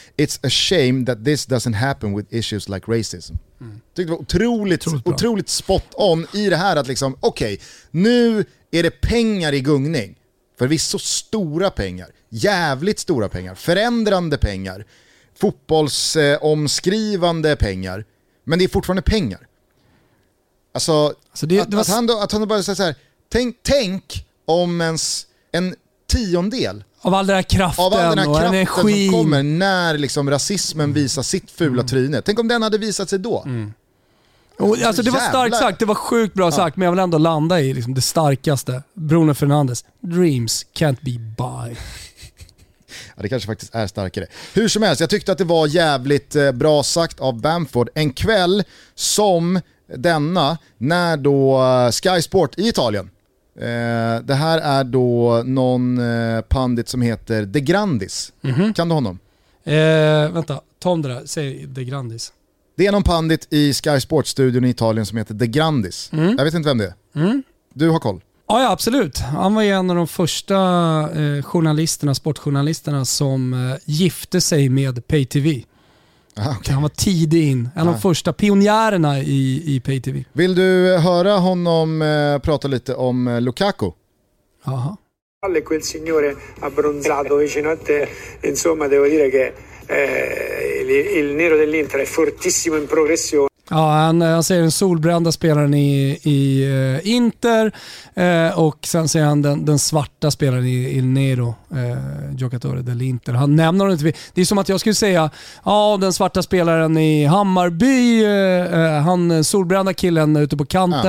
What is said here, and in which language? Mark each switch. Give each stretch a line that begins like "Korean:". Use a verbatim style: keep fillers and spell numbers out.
English: It's a shame that this doesn't happen with issues like racism. Mm.
Swedish: Tyckte det var otroligt, otroligt, otroligt spot on i det här att liksom, okej, okay, nu är det pengar i gungning. För visst så stora pengar, jävligt stora pengar, förändrande pengar, fotbollsomskrivande eh, pengar. Men det är fortfarande pengar. Alltså, alltså det, att, det var... att, han då, att han då bara säger så här, tänk, tänk om ens en tiondel av all den här kraften, av all den här och kraften energin som kommer när liksom rasismen visar sitt fula tryne. Tänk om den hade visat sig då. Mm. Och, alltså, det var starkt sagt, det var sjukt bra sagt, ja. Men jag vill ändå landa i liksom, det starkaste.
English: Bruno Fernandes, dreams can't be by.
Swedish: Ja, det kanske faktiskt är starkare. Hur som helst, jag tyckte att det var jävligt eh, bra sagt av Bamford. En kväll som denna, när då eh, Sky Sport i Italien. Eh, det här är då någon eh, pandit som heter De Grandis. Mm-hmm. Kan du honom? Eh, vänta, ta om det där. Säg De Grandis. Det är någon pandit i Sky Sports-studion i Italien som heter De Grandis. Mm. Jag vet inte vem det är. Mm. Du har koll. Ja, ja, absolut. Han var ju en av de första eh, journalisterna, sportjournalisterna som eh, gifte sig med Pay T V. Aha, okay. Han var tidig in. En av de första pionjärerna i, i Pay T V. Vill du höra honom eh, prata lite om eh, Lukaku? Aha.
Italian: Quel signore abbronzato vicino a te, insomma, devo dire che Eh, il, il nero dell'Inter è fortissimo in progressione.
Swedish: Ja, han, han säger den solbrända spelaren i, i uh, Inter eh, och sen säger han den, den svarta spelaren i
Italian: Il Nero, eh, Giocatore dell'Inter.
Swedish: Han nämner inte. Det är som att jag skulle säga, ja, den svarta spelaren i Hammarby, eh, han solbrända killen ute på kanten.